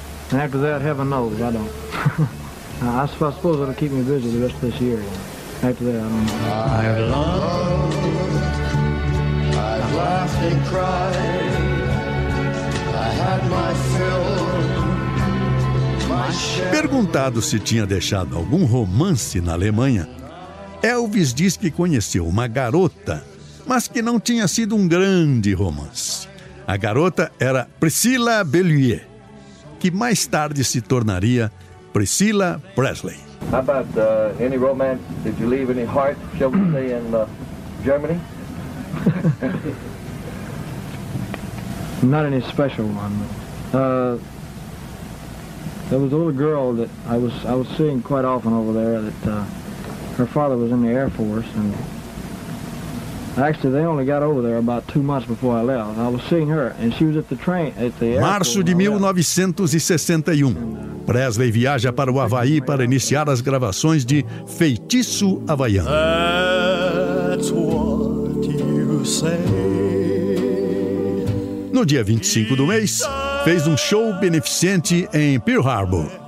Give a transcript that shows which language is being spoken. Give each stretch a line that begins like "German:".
English: And after that, heaven knows, I don't. I suppose it'll keep me busy the rest of this year. After that, I don't know. I have love. Laughed and cried. I had my fill, my share.
Portuguese: Perguntado se tinha deixado algum romance na Alemanha, Elvis diz que conheceu uma garota, mas que não tinha sido um grande romance. A garota era Priscilla Beaulieu, que mais tarde se tornaria Priscilla Presley.
English: How about any romance? Did you leave any heart, shall we say, in Germany? Not any special one. There was a little girl that I was seeing quite often over there that her father was in the Air Force, and actually they only got over there about 2 months before I left. I was seeing her and she was at the train at the
Portuguese: Março de 1961. Presley viaja para o Havaí para iniciar as gravações de Feitiço Havaiano.
English: That's what you say.
Portuguese: No dia 25 do mês, fez um show beneficente em Pearl Harbor.